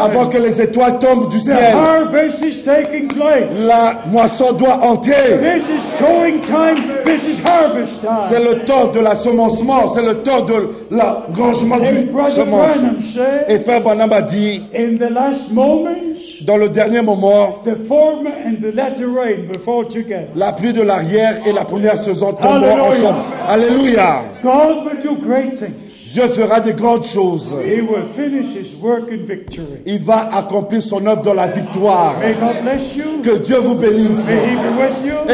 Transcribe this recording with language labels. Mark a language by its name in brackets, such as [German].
[French] avant que les étoiles tombent du ciel, [English] the harvest is taking place. [French] La moisson doit entrer. [English] This is sowing time. This is harvest time. [French] C'est le temps de la semencement. C'est le temps de la grangement du semence. Et Frère Branham a dit, [English] in the last moment, [French] dans le dernier moment, [English] the former and the latter rain will fall together. [French] La pluie de l'arrière et la première saison tomberont ensemble. Alléluia. [English] God will do great things. [French] Dieu fera des grandes choses. [English] He will finish his work in victory. [French] Il va accomplir son œuvre dans la victoire. [English] May God bless you. [French] Que Dieu vous bénisse. [English] May he be with you.